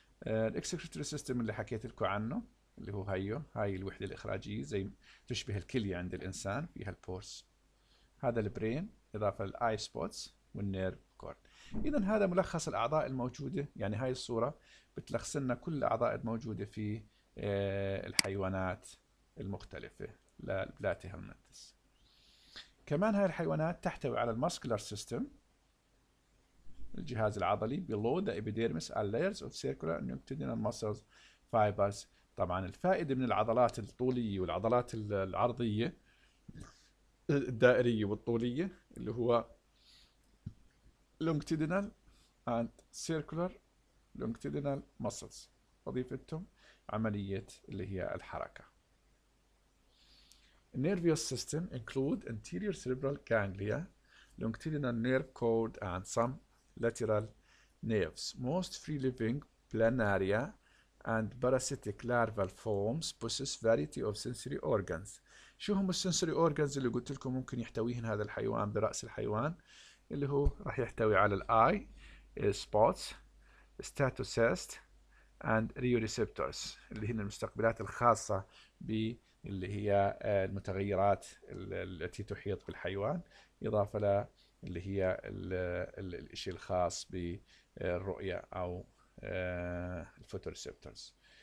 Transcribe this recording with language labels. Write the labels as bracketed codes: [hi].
[ar] الاكسكريتوري سيستم اللي حكيت لكم عنه اللي هو هيو، هاي الوحدة الإخراجية زي تشبه الكلية عند الإنسان فيها البورس. هذا البرين إضافة للآي سبوتس والنيرف كورد. إذا هذا ملخص الأعضاء الموجودة، يعني هاي الصورة بتلخص لنا كل الأعضاء الموجودة في الحيوانات المختلفة للبلاتي هلمنتس. كمان هاي الحيوانات تحتوي على الماسكولار سيستم، الجهاز العضلي [en] below the epidermis are layers of circular and longitudinal muscles fibers. [ar] طبعا الفائدة من العضلات الطولية والعضلات العرضية الدائرية والطولية اللي هو [en] longitudinal and circular longitudinal muscles، [ar] وظيفتهم عملية اللي هي الحركة. [en] Nervous system include anterior cerebral ganglia, longitudinal nerve cord and some lateral nerves. Most free living planaria and parasitic larval forms possess variety of sensory organs. [ar] شو هم السنسوري اورجانز اللي قلت لكم ممكن يحتويهن هذا الحيوان برأس الحيوان؟ اللي هو راح يحتوي على الاي سبوتس ستاتوسيست اند ريو ريسبتورز، اللي هن المستقبلات الخاصة ب اللي هي المتغيرات التي تحيط بالحيوان، إضافة ل اللي هي الشيء الخاص بالرؤية أو الفوتوريسبتورز.